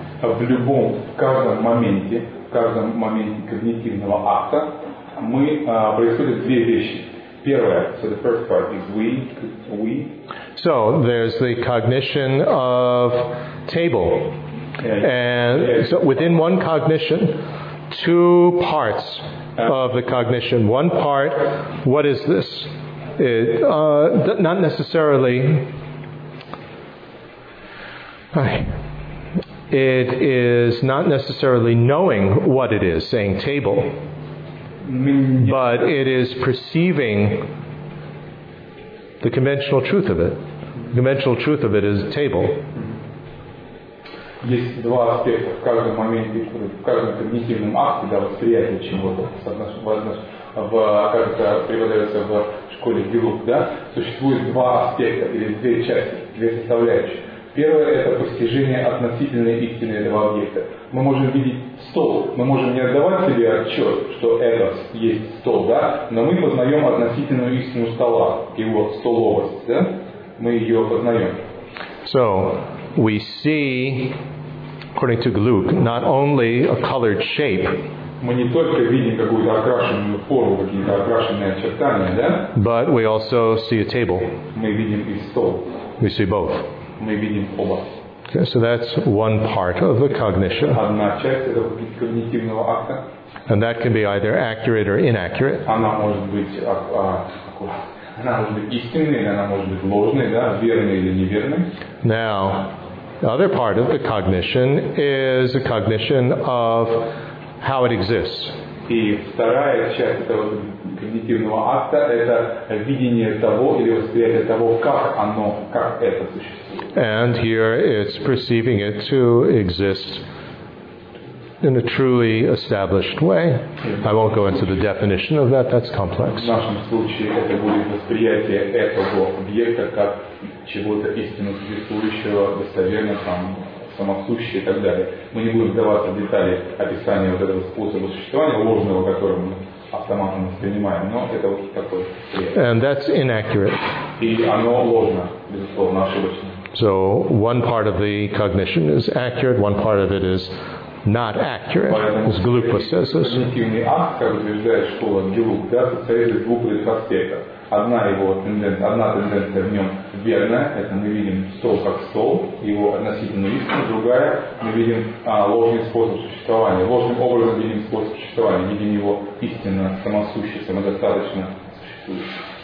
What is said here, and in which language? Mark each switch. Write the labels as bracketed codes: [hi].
[ru] В любом, в каждом моменте когнитивного акта мы происходят две вещи. Первое, [en] so the first part is we. So there's the cognition of table. And so within one cognition, two parts of the cognition. One part, what is this? It is not necessarily knowing what it is, saying table. but it is perceiving the conventional truth of it. The conventional truth of it is a table. [ru] Есть два аспекта в каждом моменте, в каждом когнитивном акте, да, восприятие чего-то, кажется, преподается в школе Гилук, да, существует два аспекта или две части, две составляющие. Первое – это постижение относительной истины этого объекта. Мы можем видеть стол, мы можем не отдавать себе отчет, что это есть стол, да, но мы познаем относительную истину стола, его столовость, да, мы ее познаем. [en] So, we see, according to Gluck, not only a colored shape, [ru] мы не только видим какую-то окрашенную форму, какие-то окрашенные очертания, да? [en] But we also see a table. [ru] Мы видим и стол. [en] We see both. [ru] Мы видим оба. [en] Okay, so that's one part of the cognition. [ru] Одна часть этого когнитивного акта. [en] And that can be either accurate or inaccurate. [ru] Она может быть, она может быть истинной, она может быть ложной, да, верной или неверной. [en] Now, the other part of the cognition is the cognition of how it exists. [ru] И вторая часть этого когнитивного акта – это видение того или восприятие того, как оно, как это существует. [en] And here it's perceiving it to exist in a truly established way. I won't go into the definition of that, that's complex. [ru] В нашем случае это будет восприятие этого объекта как чего-то истинно существующего, достоверно там. Самосущие и так далее. Мы не будем вдаваться в детали описания вот этого способа существования ложного, которого мы автоматом воспринимаем, но это вот такой. [en] And that's inaccurate. [ru] И оно ложно, безусловно, ошибочно. [en] So one part of the cognition is accurate, one part of it is not accurate. [ru] Поэтому [en] as Gluck says this. [ru] Когнитивный акт, как утверждает школа Gluck, да, состоит из двух аспектов. Одна тенденция в нем верная, это мы видим стол как стол, его относительную истину, другая мы видим ложный способ существования, ложным образом видим способ существования, видим его истинно, самосуще, самодостаточно существующим.